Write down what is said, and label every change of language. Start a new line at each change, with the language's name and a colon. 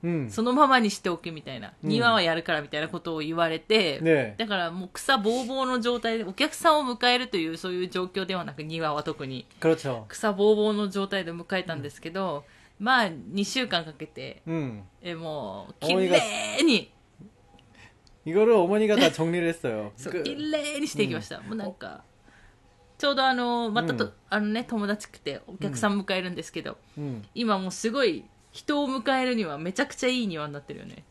Japanese: そのままにしておけみたいな。庭はやるからみたいなことを言われて。ね、だからもう草ぼうぼうの状態で、お客さんを迎えるというそういう状況ではなく、庭は特に。草ぼうぼうの状態で迎えたんですけど、まあ、2週間かけて。もう、きれいに。
Korean: 이거를어머니가다정리를했어요。
Japanese: そう、きれいにしていきました。もうなんか。ちょうどあの、またと、あのね、友達来てお客さん迎えるんですけど、今もうすごい人を迎えるにはめちゃくちゃいい庭になってるよね。